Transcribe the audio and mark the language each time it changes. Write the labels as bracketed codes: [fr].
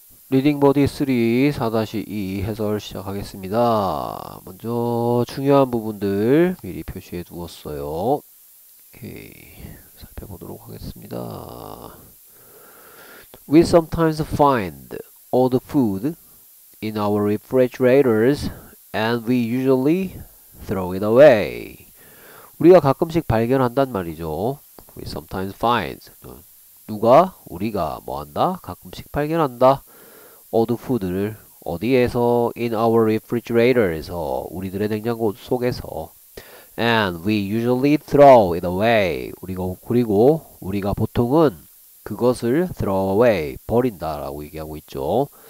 [ko] 리딩버디 3 4-2 해설 시작하겠습니다. 먼저 중요한 부분들 미리 표시해 두었어요. 오케이. 살펴보도록 하겠습니다. [en] We sometimes find all the food in our refrigerators and we usually throw it away. [ko] 우리가 가끔씩 발견한단 말이죠. [en] We sometimes find. [ko] 누가? 우리가 뭐 한다? 가끔씩 발견한다. [en] All the food [ko] 를 어디에서? [en] In our refrigerator에서 [ko] 우리들의 냉장고 속에서 [en] and we usually throw it away 우리가 보통은 그것을 throw away [ko] 버린다라고 얘기하고 있죠.